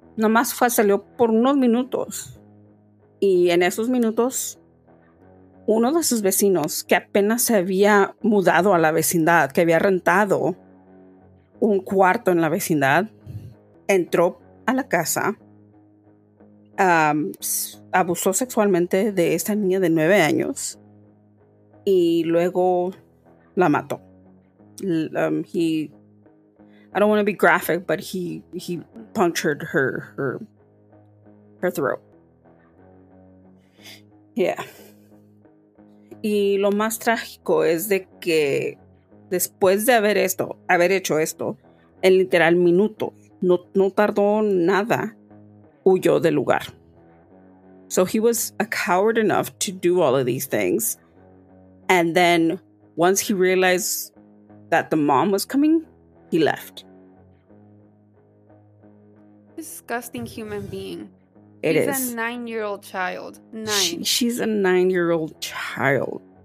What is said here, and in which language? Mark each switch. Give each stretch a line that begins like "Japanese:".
Spanish: Nomás fue, salió por unos minutos, y en esos minutos, uno de sus vecinos, que apenas se había mudado a la vecindad, que había rentado un cuarto en la vecindad, entró a la casa, abusó sexualmente de esta niña de 9 años y luego la mató.
English: He, I don't want to be graphic, but he punctured her throat. Yeah.
Spanish: Y lo más trágico es de que después de haber hecho esto, en literal minutos, no tardó nada, huyó del lugar.
English: So he was a coward enough to do all of these things. And then once he realized that the mom was coming, he left. Disgusting human being. It He's is. A 9-year-old child. Nine. She's a 9-year-old child.